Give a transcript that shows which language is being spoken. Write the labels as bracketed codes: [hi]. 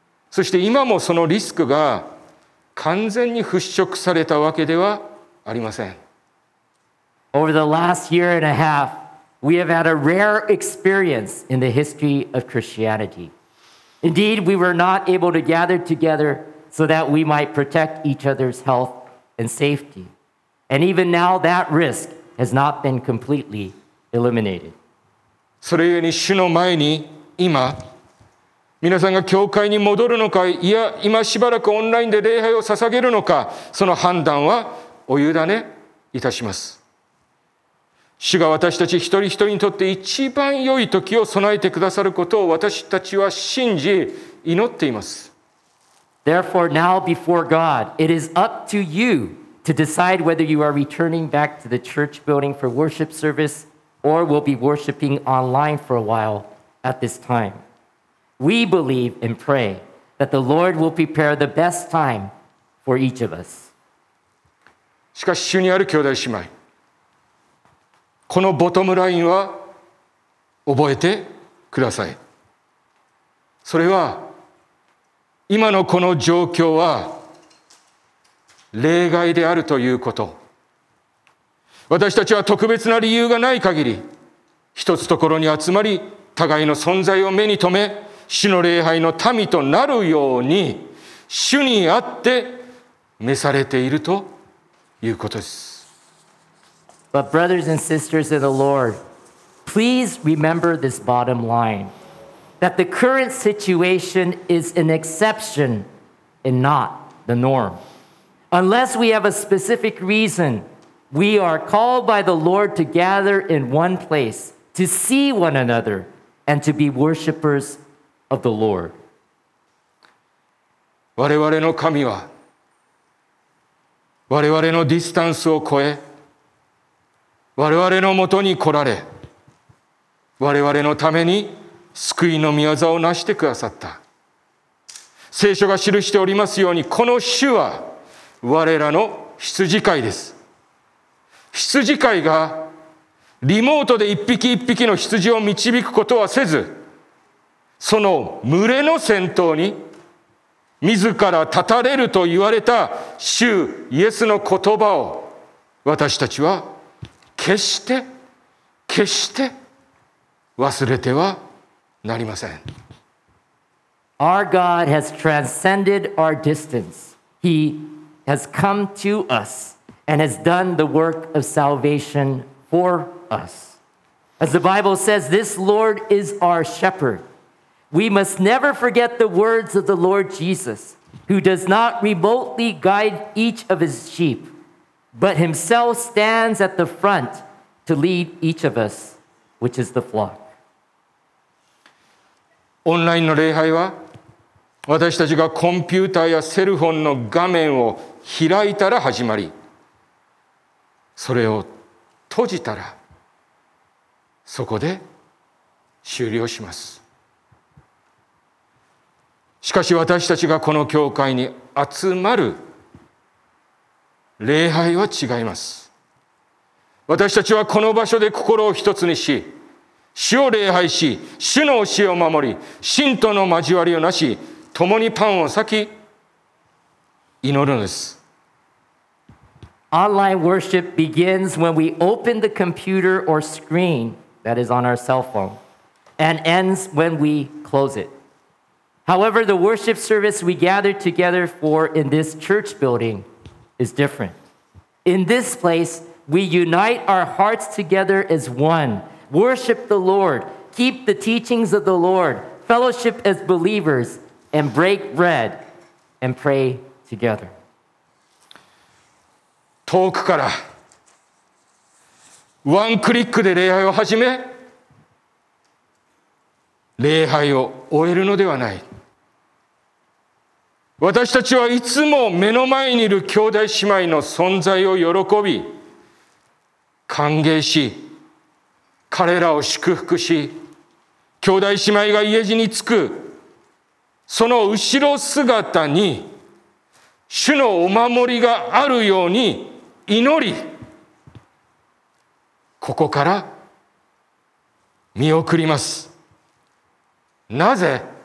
[ja] そして今もそのリスクが完全に払拭されたわけではありません。 [en] Over the last year and a half, we have had a rare experience in the history of Christianity. Indeed, we were not able to gather together so that we might protect each other's health and safety. And even now, that risk has not been completely eliminated. [ja] それゆえに主の前に今皆さんが教会に戻るのか、いや今しばらくオンラインで礼拝を捧げるのか、その判断はお委ねいたします。主が私たち一人一人にとって一番良い時を備えてくださることを私たちは信じ祈っています。 [en] Therefore now before God, it is up to you to decide whether you are returning back to the church building for worship service or will be worshiping online for a while at this time. We believe and pray that the Lord will prepare the best time for each of us. [ja] しかし主にある兄弟姉妹、このボトムラインは覚えてください。それは今のこの状況は例外であるということ。私たちは特別な理由がない限り、一つところに集まり、互いの存在を目に留め、主の礼拝の民となるように、主にあって召されているということです。 [en] But brothers and sisters in the Lord, please remember this bottom line, that the current situation is an exception and not the norm. Unless we have a specific reason, we are called by the Lord to gather in one place, to see one another, and to be worshipers of the Lord. [ja] 我々の神は、我々のディスタンスを超え、我々のもとに来られ、我々のために救いの御業を成してくださった。聖書が記しておりますように、この主は我らの羊飼いです。羊飼いがリモートで一匹一匹の羊を導くことはせず、その群れの先頭に自ら立たれると言われた主イエスの言葉を私たちは決して決して忘れてはなりません。 [en] Our God has transcended our distance. He has come to us and has done the work of salvation for us. As the Bible says, this Lord is our shepherd. We must never forget the words of the Lord Jesus, who does not remotely guide each of his sheep, but himself stands at the front to lead each of us, which is the flock. [ja] オンラインの礼拝は、私たちがコンピューターやセルフォンの画面を開いたら始まり、それを閉じたらそこで終了します。しかし私たちがこの教会に集まる礼拝は違います。私たちはこの場所で心を一つにし、主を礼拝し、主の教えを守り、信徒の交わりをなし、共にパンを裂き祈るのです。 [en] Online worship begins when we open the computer or screen that is on our cell phone and ends when we close it. However, the worship service we gather together for in this church building is different. In this place, we unite our hearts together as one, worship the Lord, keep the teachings of the Lord, fellowship as believers, and break bread and pray together. [ja] 遠くからワンクリックで礼拝を始め、礼拝を終えるのではない。私たちはいつも目の前にいる兄弟姉妹の存在を喜び、歓迎し、彼らを祝福し、兄弟姉妹が家路につく、その後ろ姿に主のお守りがあるように祈り、ここから見送ります。なぜ？